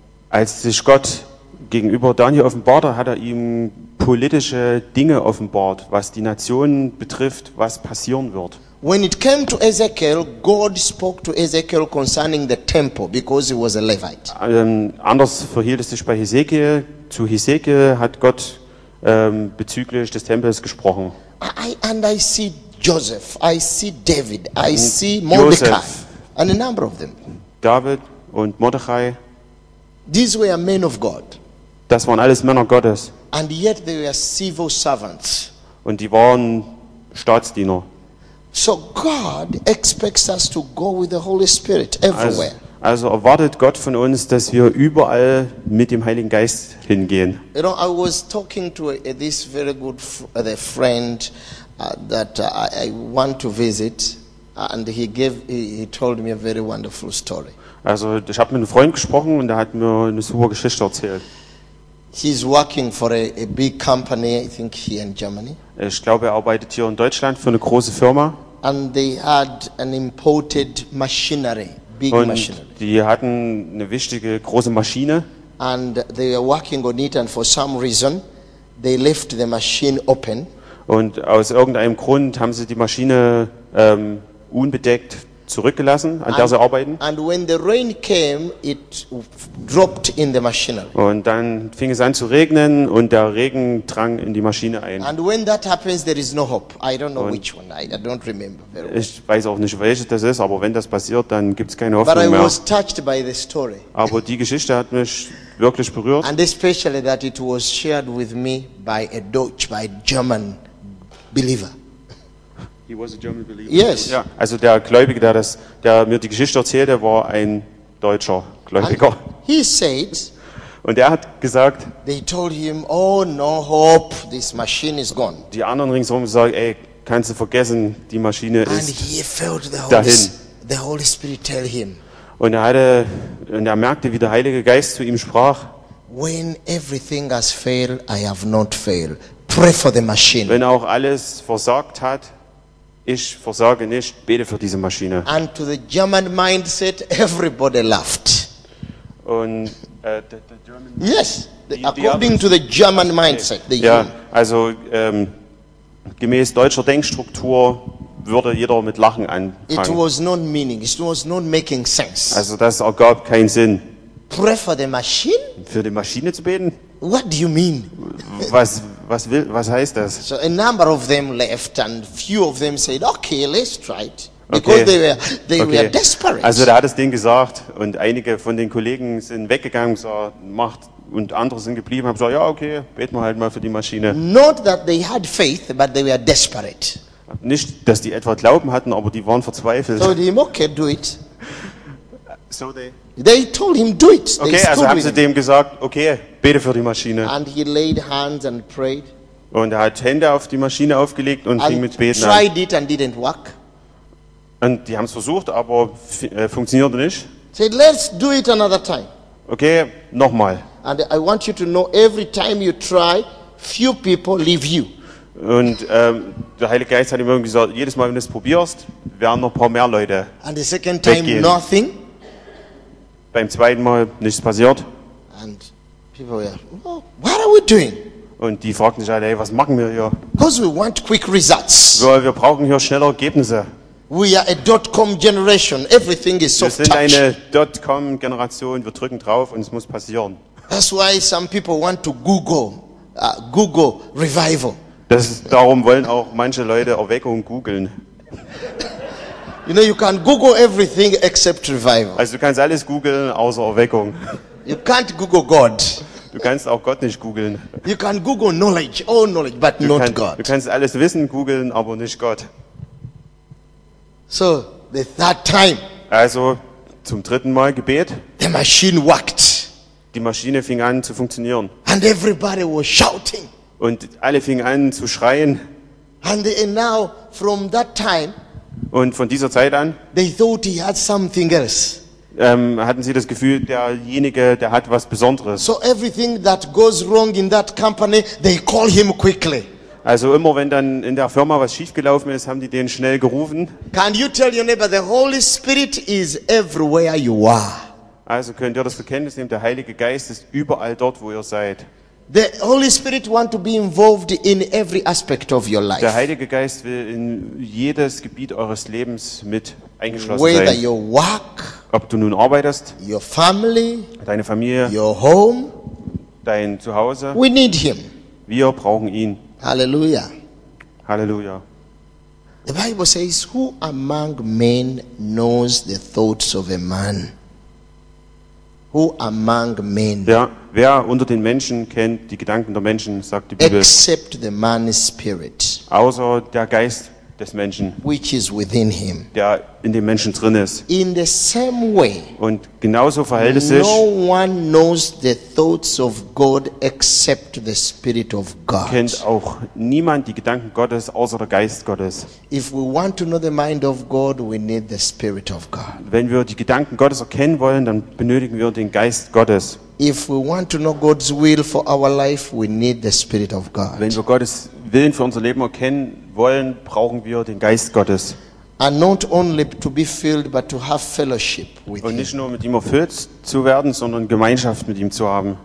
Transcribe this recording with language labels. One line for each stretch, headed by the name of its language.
German: Als sich Gott gegenüber Daniel offenbarte, hat er ihm politische Dinge offenbart, was die Nationen betrifft, was passieren wird.
English: When it came to Ezekiel, God spoke to Ezekiel concerning the temple, because he was a Levite.
German: Anders verhielt es sich bei Ezekiel. Zu Ezekiel hat Gott bezüglich des Tempels gesprochen.
English: I see Joseph, I see David, I see Mordecai, and a number of them.
German: David und Mordecai.
English: These were men of God.
German: Das waren alles Männer Gottes.
English: And yet they were civil servants.
German: Und die waren Staatsdiener.
English: So God expects us to go with the Holy Spirit everywhere.
German: Also erwartet Gott von uns, dass wir überall mit dem Heiligen Geist hingehen.
English: You know, I was talking to this very good friend that I want to visit, and he told me a very wonderful story.
German: Also ich habe mit einem Freund gesprochen und er hat mir eine super Geschichte erzählt.
English: He's working for a big company, I think here in Germany.
German: Ich glaube, er arbeitet hier in Deutschland für eine große Firma.
English: And they had an imported machinery.
German: Und die hatten eine wichtige große Maschine.
English: And they were working on it, and for some reason, they left the machine open.
German: Und aus irgendeinem Grund haben sie die Maschine unbedeckt zurückgelassen, an der sie arbeiten.
English: And when the rain came, it dropped in the machinery.
German: Und dann fing es an zu regnen und der Regen drang in die Maschine ein.
English: And when that happens, there is no hope. I don't know which one. I don't remember very well.
German: Ich weiß auch nicht, welches das ist, aber wenn das passiert, dann gibt es keine Hoffnung mehr.
English: I was touched by the story.
German: Aber die Geschichte hat mich wirklich berührt.
English: And especially that it was shared with me by a Dutch, by a German believer. He was a German believer. Yes.
German: Ja, also der Gläubige, der mir die Geschichte erzählt, der war ein deutscher Gläubiger.
English: He said,
German: und er hat gesagt,
English: they told him, oh, no hope, this machine is gone.
German: Die anderen ringsherum sagen, ey, kannst du vergessen, die Maschine ist dahin.
English: And he felt the Holy Spirit tell him.
German: Und er merkte, wie der Heilige Geist zu ihm sprach.
English: When everything has failed, I have not failed. Pray for the machine.
German: Wenn auch alles versagt hat, ich versage nicht, bete für diese Maschine.
English: And to the German mindset, everybody laughed.
German: Und
English: the German, yes, according to the German mindset. The
German: ja, also gemäß deutscher Denkstruktur würde jeder mit Lachen anfangen.
English: It was not meaning, it was not making sense.
German: Also das ergab keinen Sinn.
English: Pray for the machine?
German: Für die Maschine zu beten?
English: What do you mean?
German: Was heißt das?
English: So a number of them left and few of them said, okay, let's try it. Because okay. they were desperate.
German: Also da hat es denen gesagt und einige von den Kollegen sind weggegangen so, macht, und andere sind geblieben und haben gesagt, ja okay, beten wir halt mal für die Maschine.
English: Not that they had faith, but they were desperate.
German: Nicht, dass die etwa Glauben hatten, aber die waren verzweifelt.
English: So they okay, do it. So they told him, do it.
German: Okay, also haben sie dem gesagt, okay, bete für die Maschine.
English: And he laid hands and prayed.
German: Und er hat Hände auf die Maschine aufgelegt und
English: and
German: ging mit Beten
English: tried
German: an.
English: It and didn't work.
German: Und die haben es versucht, aber funktionierte nicht.
English: Said, let's do it another time.
German: Okay, nochmal.
English: And I want you to know, every time you try, few people leave you.
German: Und der Heilige Geist hat ihm irgendwie gesagt, jedes Mal, wenn du es probierst, werden noch ein paar mehr Leute weggehen.
English: And the second time, nothing.
German: Beim zweiten Mal nichts passiert.
English: And people were, oh, what are we doing?
German: Und die fragten sich alle, hey, was machen wir hier?
English: Because we want quick results.
German: Wir brauchen hier schnelle Ergebnisse.
English: We are a dot-com generation. Everything is soft touch.
German: Wir sind eine Dotcom-Generation. Wir drücken drauf und es muss passieren.
English: That's why some people want to Google revival.
German: Darum wollen auch manche Leute Erweckung googeln.
English: You know, you can Google everything except revival.
German: Also du kannst alles googeln außer Erweckung.
English: You can't Google God.
German: Du kannst auch Gott nicht googeln.
English: You can Google knowledge, all knowledge, but not God.
German: Du kannst alles Wissen googeln, aber nicht Gott.
English: So the third time.
German: Also zum dritten Mal Gebet.
English: The machine worked.
German: Die Maschine fing an zu funktionieren.
English: And everybody was shouting.
German: Und alle fingen an zu schreien.
English: And now from that time.
German: Und von dieser Zeit an
English: they thought he had something else.
German: Hatten sie das Gefühl, derjenige, der hat was Besonderes.
English: So everything that goes wrong in that company, they call him quickly.
German: Also immer, wenn dann in der Firma was schiefgelaufen ist, haben die den schnell gerufen.
English: Can you tell your neighbor, the Holy Spirit is everywhere you are.
German: Also könnt ihr das Verkenntnis nehmen, der Heilige Geist ist überall dort, wo ihr seid.
English: The Holy Spirit wants to be involved in every aspect of your life.
German: Der Heilige Geist will in jedes Gebiet eures Lebens mit eingeschlossen
English: Whether
German: sein.
English: Whether you work,
German: ob du nun arbeitest,
English: your family,
German: deine Familie,
English: your home,
German: dein Zuhause.
English: We need him.
German: Wir brauchen ihn. Halleluja. Halleluja.
English: The Bible says, who among men knows the thoughts of a man? who among men?
German: Ja, wer unter den Menschen kennt die Gedanken der Menschen, sagt die Bibel.
English: Except the man's spirit.
German: Außer der Geist des Menschen,
English: which is within him.
German: Der in dem Menschen drin ist.
English: In the same way.
German: Und genauso verhält es
English: no
German: sich.
English: No one knows the thoughts of God except the Spirit of God.
German: Kennt auch niemand die Gedanken Gottes außer der Geist Gottes.
English: If we want to know the mind of God, we need the Spirit of God.
German: Wenn wir die Gedanken Gottes erkennen wollen, dann benötigen wir den Geist Gottes.
English: If we want to know God's will for our life, we need the Spirit of God.
German: Wenn wir Gottes Willen für unser Leben erkennen wollen, brauchen wir den Geist Gottes.
English: And not only to be filled, but to have fellowship with Him.
German: Und nicht nur mit ihm erfüllt zu werden, sondern Gemeinschaft mit ihm zu haben.